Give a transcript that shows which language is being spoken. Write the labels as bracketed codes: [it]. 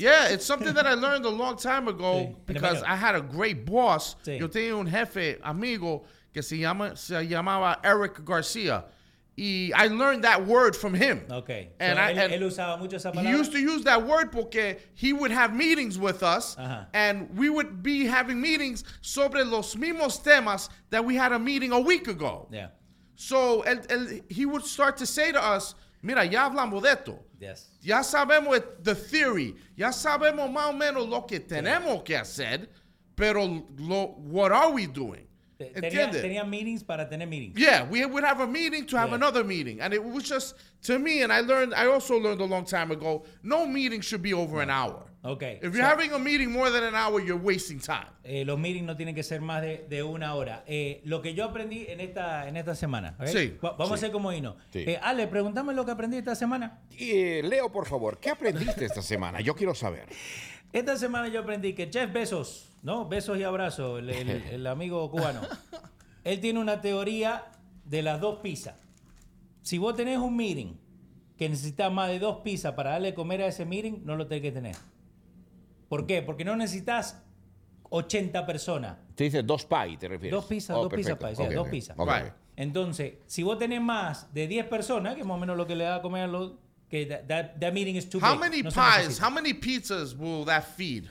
[en] Yeah, it's something that I learned a long time ago sí. because I had a great boss. [es] Sí. Yo tenía un jefe, amigo, que se llamaba Eric García. [en] y I learned that word from him. [es] Okay. [en] And so [es] él usaba mucho esa palabra. [en] He used to use that word [es] porque [en] he would have meetings with us, uh-huh, and we would be having meetings [es] sobre los mismos temas [en] that we had a meeting a week ago. Yeah. So el he would start to say to us, [es] mira, ya hablamos de esto. [en] Yes. [es] Ya sabemos [en] the theory. [es] Ya sabemos más o menos lo que tenemos, yeah, que hacer, pero [en] what are we doing? [es] Tenía meetings para tener meetings. [en] Yeah, we would have a meeting to have, yeah, another meeting. And it was just, to me, and I also learned a long time ago, no meeting should be over, yeah, an hour. Okay. If you're having a meeting more than an hour, you're wasting time. [es] Los meetings no tienen que ser más de una hora. Lo que yo aprendí en esta semana. Okay? Sí. Vamos, sí, a hacer como Hino. Sí. Ale, pregúntame lo que aprendí esta semana. Leo, por favor, ¿qué aprendiste esta semana? Yo quiero saber. Esta semana yo aprendí que Jeff Bezos, ¿no? Besos y abrazos, el amigo cubano. Él tiene una teoría de las dos pizzas. Si vos tenés un meeting que necesitas más de dos pizzas para darle comer a ese meeting, no lo tenés que tener. ¿Por qué? Porque no necesitas 80 personas. Te dice dos pies, te refieres. Dos pizzas, dos pizzas, pie, okay, dos pizzas. Okay. Entonces, si vos tenés más de 10 personas, que es más o menos lo que le da a comer a los... [en] That meeting is too how big. Many no pies, how many pizzas will that feed?